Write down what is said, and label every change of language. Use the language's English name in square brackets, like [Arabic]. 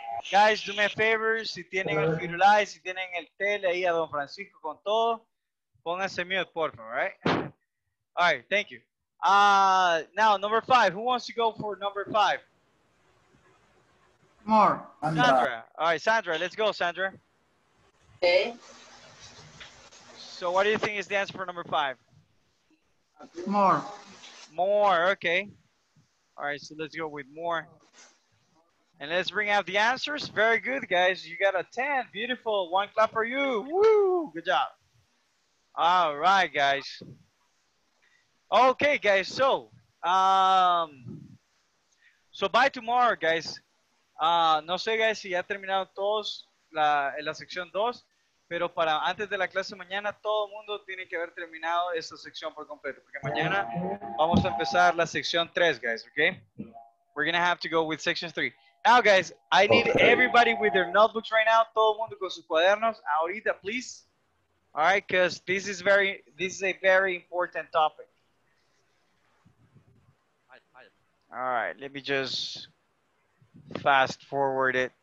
[Spanish] Guys, do me a favor, si tienen el Firulai, si tienen el tele ahí a Don Francisco con todo, pónganse mute, por favor, right? [English] All right, thank you. Now, number five, who wants to go for number five? More. Sandra. All right, Sandra, let's go, Sandra. Okay. So what do you think is the answer for number five? More. More, okay. All right, so let's go with more. And let's bring out the answers. Very good, guys. You got a 10. Beautiful. One clap for you. Woo! Good job. All right, guys. Okay, guys. So, so by tomorrow, guys. [Spanish] No sé, guys, si ya terminaron todos la sección 2, pero para antes de la clase mañana, todo el mundo tiene que haber terminado esta sección por completo, porque mañana vamos a empezar la sección 3, guys, okay? [English] We're going to have to go with section 3. Now, guys, I need everybody with their notebooks right now. [Spanish] Todo mundo con sus cuadernos. Ahorita, please. [English] All right, because this is a very important topic. All right, let me just fast forward it.